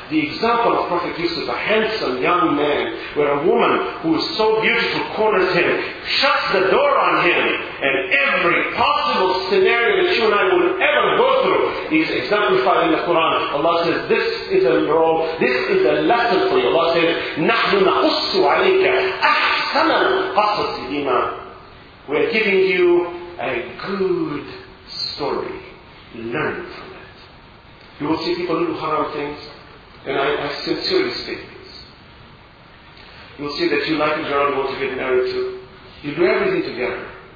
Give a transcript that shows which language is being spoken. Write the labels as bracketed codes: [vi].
[en] The example of Prophet Yusuf, a handsome young man, where a woman who is so beautiful corners him, shuts the door on him, and every possible scenario that you and I would ever go through is exemplified in the Quran. Allah says, this is a role, this is a lesson for you. Allah says, [ar] نَحْنُ نَقُصُّ عَلَيْكَ أَحْسَنَ الْقَصَصِ لِمَا. [en] We are giving you a good story. Learn from it. You will see people do haram things, and I sincerely state this. You will see that you like a girl you want to get married to. You do everything together.